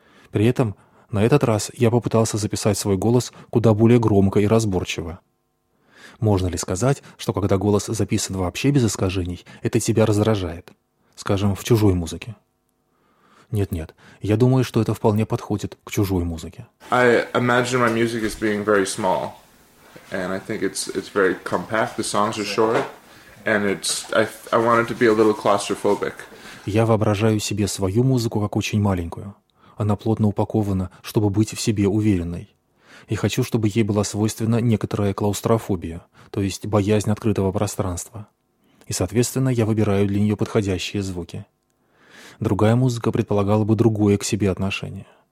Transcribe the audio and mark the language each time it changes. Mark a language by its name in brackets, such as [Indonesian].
[Russian] При этом, на этот раз я попытался записать свой голос куда более громко и разборчиво. Можно ли сказать, что когда голос записан вообще без искажений, это тебя раздражает? Скажем, в чужой музыке. Нет-нет, я думаю, что это вполне подходит к чужой музыке. [English] I imagine my music is being very small. and I think it's very compact. The songs are short, and it's I want it to be a little claustrophobic. [Russian] Я воображаю себе свою музыку как очень маленькую. Она плотно упакована, чтобы быть в себе уверенной. И хочу, чтобы ей была свойственна некоторая клаустрофобия, то есть боязнь открытого пространства. И, соответственно, я выбираю для нее подходящие звуки. Другая музыка предполагала бы другое к себе отношение.